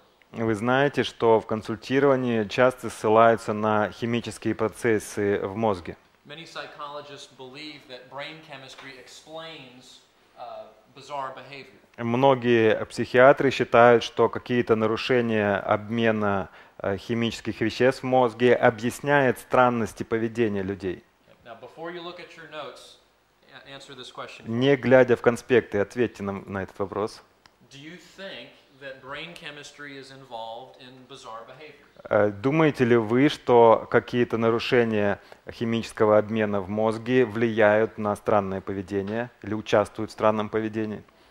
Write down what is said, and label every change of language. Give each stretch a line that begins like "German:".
Russian: Вы знаете, что в консультировании часто ссылаются на химические процессы в мозге.
English: Many psychologists believe that brain chemistry explains bizarre behavior.
Russian: Многие психиатры считают, что какие-то нарушения обмена химических веществ в мозге объясняют странности поведения людей.
English: Now, before you look at your notes, answer this question.
Russian: Не глядя в конспекты, ответьте нам на этот вопрос.
English: Do you think that brain chemistry is involved in bizarre behavior?
Russian: Думаете ли вы, что какие-то нарушения химического обмена в мозге влияют на странное поведение или участвуют в странном поведении?